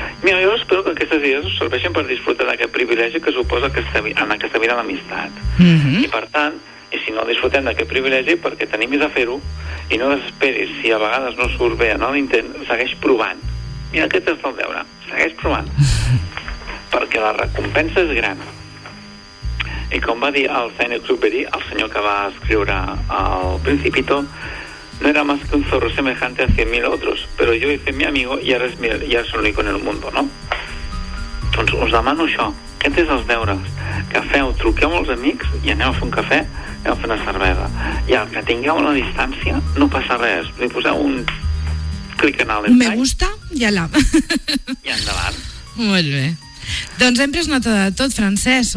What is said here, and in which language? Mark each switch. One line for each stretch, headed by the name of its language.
Catalan: Mira, jo espero que aquestes idees us serveixin per disfrutar d'aquest privilegi que suposa aquesta, en aquesta vida l'amistat. Uh-huh. I per tant, i si no disfrutem d'aquest privilegi perquè t'animis a fer-ho i no desesperis si a vegades no surt bé en l'intent, segueix provant. Mira, aquest és el deure, segueix provant. Perquè la recompensa és gran. I com va dir el Saint-Exupéry, el senyor que va escriure el Principito,
Spanish: no era más que un zorro semejante a 100.000 otros, pero yo hice mi amigo y ahora es, mi, ya es único en el mundo, no?
Catalan: Doncs us demano això. Aquest és els deures. Que feu, truqueu als amics i aneu a fer un cafè, aneu a fer una cervesa. I el que tingueu la distància, no passa res. Li poseu un clic en el...
Spanish: Me gusta y a la...
Catalan: I endavant. Molt bé. Doncs hem pres nota de tot, Francesc.